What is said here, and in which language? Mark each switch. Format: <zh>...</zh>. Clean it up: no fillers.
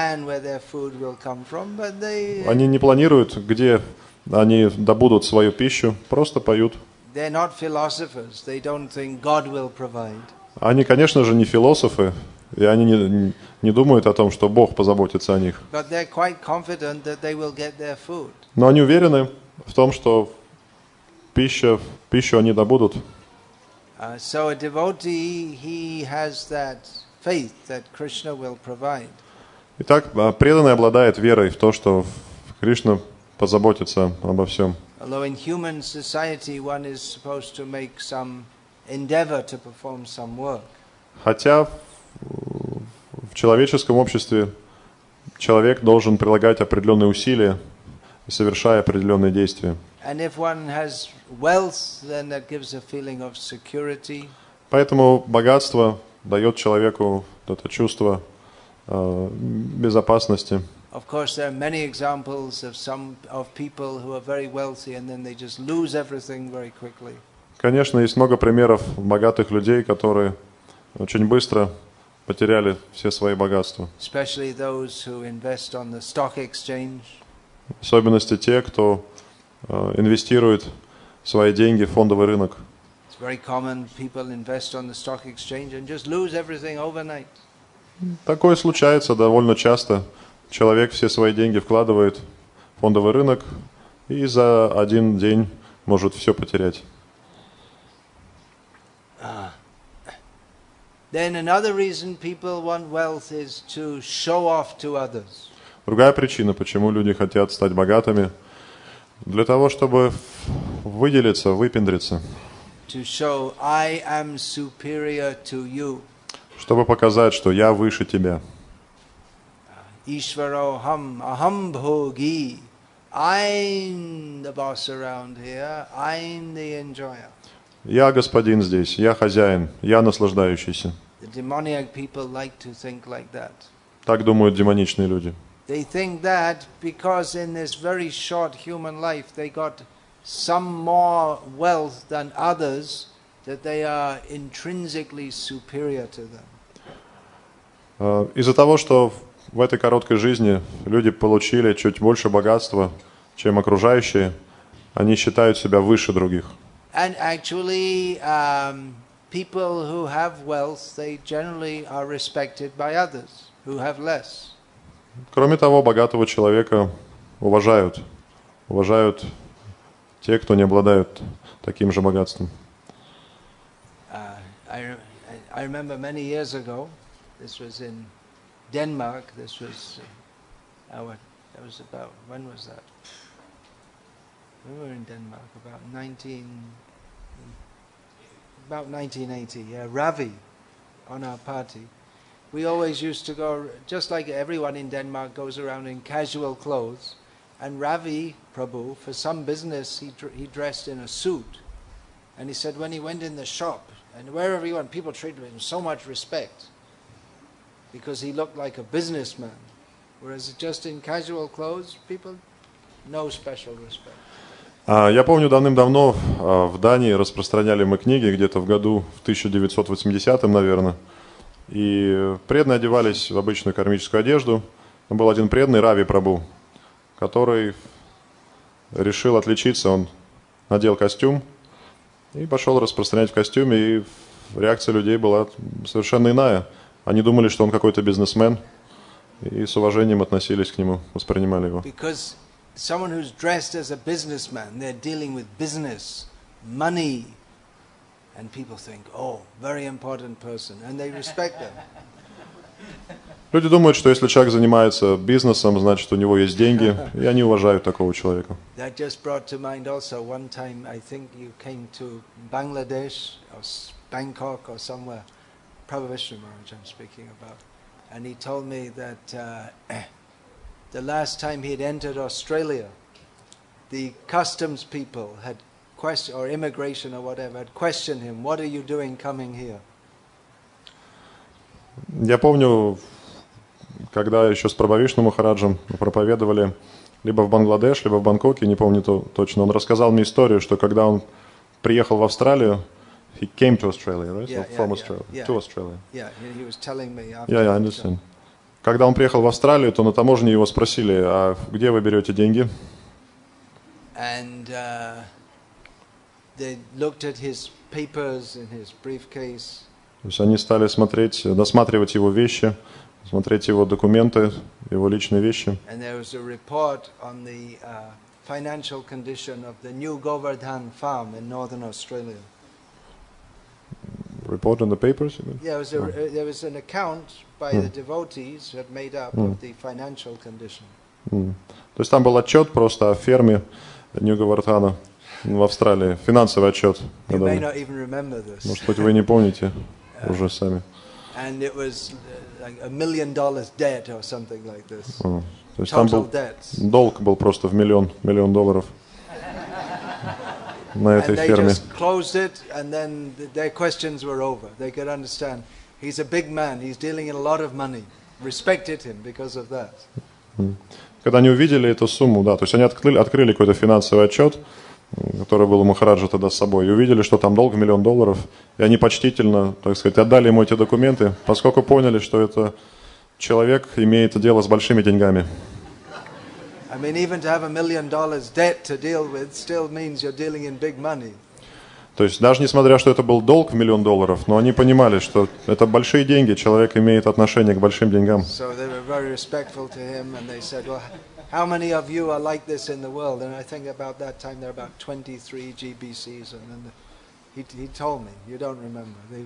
<ru>Они не планируют, где они добудут свою пищу, просто поют.</ru> <en>They're not philosophers. They don't think God will provide.</en> <ru>Они, конечно же, не философы, и они не думают о том, что Бог позаботится о них.</ru> <en>But they're quite confident that they will get their food.</en> <ru>Но они уверены в том, что пищу они добудут.</ru> <en>So a devotee, he has that faith that Krishna will provide.</en> <ru>Итак, преданный обладает верой в то, что Кришна позаботится обо всем.</ru> <en>Although in human society one is supposed to make some endeavor to perform some work.</en> <ru>Хотя в человеческом обществе человек должен прилагать определенные усилия, совершая определенные действия.</ru> <en>And if one has wealth, then that gives a feeling of security.</en> <ru>Поэтому богатство дает человеку это чувство безопасности.</ru> <en>Of course, there are many examples of some of people who are very wealthy and then they just lose everything very quickly.</en> <ru>Конечно, есть много примеров богатых людей, которые очень быстро потеряли все свои богатства.</ru> <en>Especially those who invest on the stock exchange.</en> <ru>В особенности те, кто инвестирует свои деньги в фондовый рынок.</ru> <en>It's very common people invest on the stock exchange and just lose everything overnight.</en> <ru>Такое случается довольно часто. Человек все свои деньги вкладывает в фондовый рынок и за один день может все потерять. Другая причина, почему люди хотят стать богатыми, для того, чтобы выделиться, выпендриться.</ru> <en>To show I am superior to you.</en> <ru>Чтобы показать, что я выше тебя.</ru> <sa>Ishvaro ham aham bhogi.</sa> <en>I'm the boss around here. I'm the enjoyer.</en> <ru>Я господин здесь. Я хозяин. Я наслаждающийся.</ru> <en>The demoniac people like to think like that.</en> <ru>Так думают демоничные люди.</ru> <en>They think that because in this very short human life they got some more wealth than others that they are intrinsically superior to them.</en> <ru>Из-за того, что в этой короткой жизни люди получили чуть больше богатства, чем окружающие, они считают себя выше других.</ru> <en>And actually, people who have wealth, they generally are respected by others who have less.</en> <ru>Кроме того, богатого человека уважают. Уважают те, кто не обладают таким же богатством.</ru> <en>I remember many years ago, this was in Denmark, this was about 1980, yeah, Ravi on our party. We always used to go, just like everyone in Denmark goes around in casual clothes, and Ravi Prabhu, for some business, he dressed in a suit, and he said when he went in the shop, and wherever he went, people treated him with so much respect, because he looked like a businessman, whereas just in casual clothes, people, no special respect.</en> <ru>Я помню, давным-давно в Дании распространяли мы книги, где-то в году, в 1980-м, наверное, и преданные одевались в обычную кармическую одежду. Там был один преданный, Рави Прабу, который решил отличиться, он надел костюм и пошел распространять в костюме, и реакция людей была совершенно иная. Они думали, что он какой-то бизнесмен, и с уважением относились к нему, воспринимали его.</ru> <en>Because someone who's dressed as a businessman, they're dealing with business, money, and people think, oh, very important person, and they respect them.</en> <ru>Люди думают, что если человек занимается бизнесом, значит, у него есть деньги, и они уважают такого человека.</ru> <en>That just brought to mind also one time, I think you came to Bangladesh, or Bangkok, or somewhere. Prabhupada Maharaj I'm speaking about, and he told me that the last time he had entered Australia, the customs people had questioned, or immigration or whatever, had questioned him, what are you doing coming here?</en> <ru>Я помню, когда еще с Прабхупадой Махараджем проповедовали либо в Бангладеш, либо в Бангкоке, не помню точно, он рассказал мне историю, что когда он приехал в Австралию,</ru> <en>He came to Australia, right? To Australia. Yeah, he was telling me after. Yeah, I understand.</en> <ru>Когда он приехал в Австралию, то на таможне его спросили, а где вы берете деньги?</ru> <en>And they looked at his papers in his briefcase.</en> <ru>То есть они стали смотреть, досматривать его вещи, смотреть его документы, его личные вещи.</ru> <en>And there was a report on the financial condition of the new Govardhan farm in northern Australia. Report on the papers? There was an account by the devotees who had made up of the financial condition.</en> <ru>То есть там был отчет просто о ферме New Govardhan в Австралии, финансовый отчет.</ru> <en>You may not even remember this.</en> <ru>Может быть, вы не помните уже сами.</ru> <en>And it was like $1 million debt or something like this.</en> <ru>То есть там был долг был просто в миллион долларов на этой ферме.</ru> <en>And they just closed it, and then their questions were over. They could understand. He's a big man. He's dealing in a lot of money. Respected him because of that.</en> <ru>Когда они увидели эту сумму, да, то есть они открыли какой-то финансовый отчет, который был у Махараджа тогда с собой, и увидели, что там долг в миллион долларов, и они почтительно, так сказать, отдали ему эти документы, поскольку поняли, что это человек имеет дело с большими деньгами.</ru> <en>I mean, even to have $1 million debt to deal with still means you're dealing in big money.</en> <ru>То есть даже несмотря, что это был долг в миллион долларов, но они понимали, что это большие деньги, человек имеет отношение к большим деньгам.</ru> <en>So they were very respectful to him, and they said, well, how many of you are like this in the world? And I think about that time there were about 23 GBCs, and then he told me, you don't remember.</en>